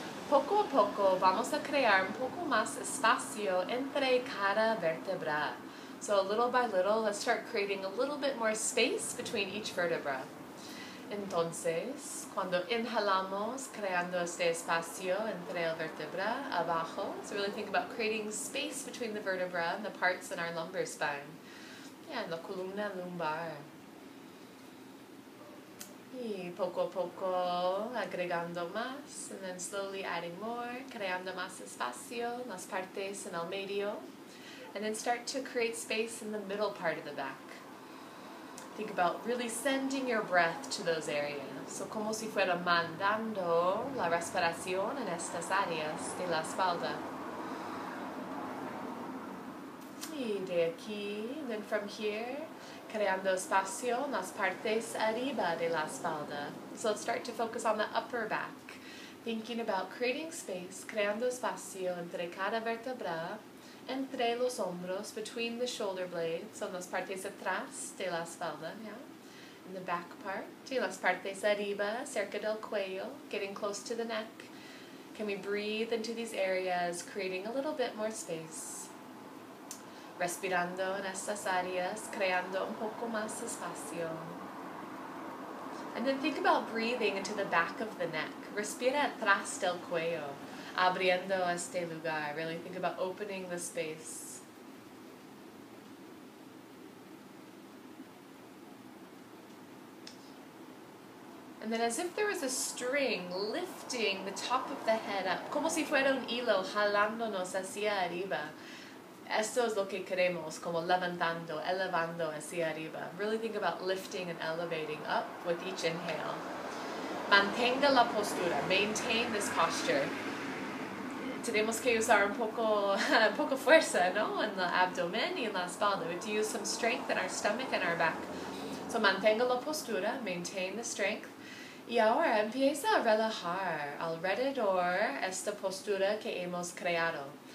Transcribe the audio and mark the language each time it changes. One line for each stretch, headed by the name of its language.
Spanish: poco a poco vamos a crear un poco más espacio entre cada vértebra.
English: So little by little, let's start creating a little bit more space between each vertebra.
Spanish: Entonces, cuando inhalamos, creando este espacio entre la vértebra, abajo.
English: So really think about creating space between the vertebra and the parts in our lumbar spine.
Spanish: Yeah, la columna lumbar. Y poco a poco, agregando más,
English: and then slowly adding more,
Spanish: creando más espacio, las partes en el medio.
English: And then start to create space in the middle part of the back. Think about really sending your breath to those areas.
Spanish: So como si fuera mandando la respiración en estas áreas de la espalda. Y de aquí,
English: and then from here,
Spanish: creando espacio en las partes arriba de la espalda.
English: So let's start to focus on the upper back. Thinking about creating space,
Spanish: creando espacio entre cada vértebra, entre los hombros,
English: between the shoulder blades,
Spanish: son las partes atrás de la espalda, yeah?
English: In the back part,
Spanish: y las partes arriba, cerca del cuello,
English: getting close to the neck. Can we breathe into these areas, creating a little bit more space?
Spanish: Respirando en estas áreas, creando un poco más espacio.
English: And then think about breathing into the back of the neck.
Spanish: Respira atrás del cuello. Abriendo este lugar,
English: really think about opening the space. And then as if there was a string lifting the top of the head up,
Spanish: como si fuera un hilo jalándonos hacia arriba. Esto es lo que queremos, como levantando, elevando hacia arriba.
English: Really think about lifting and elevating up with each inhale.
Spanish: Mantenga la postura,
English: maintain this posture.
Spanish: Tenemos que usar un poco fuerza, ¿no? En el abdomen y en la espalda.
English: We have to use some strength in our stomach and our back. So
Spanish: mantenga la postura,
English: maintain the strength.
Spanish: Y ahora empieza a relajar alrededor esta postura que hemos creado.